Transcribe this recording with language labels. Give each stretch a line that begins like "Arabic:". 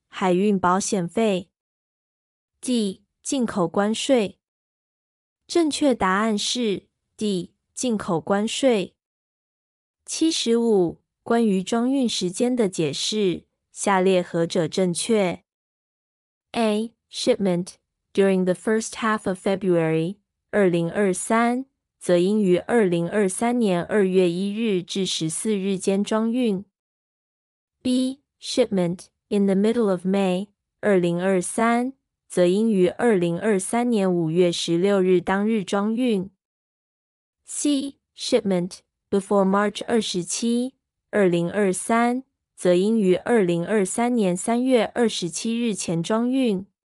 Chinese: 海运保险费。 D. 进口关税。正确答案是 D. 进口关税。 75. 关于装运时间的解释，下列何者正确？
English: A. Shipment, during the first half of February, 2023,
Chinese: 则应于2023年2月1日至14日间装运。
English: B. Shipment, in the middle of May, 2023,
Chinese: 则应于2023年5月16日当日装运。
English: C. Shipment, before March 27, 2023,
Chinese: 则应于2023年3月27日前装运。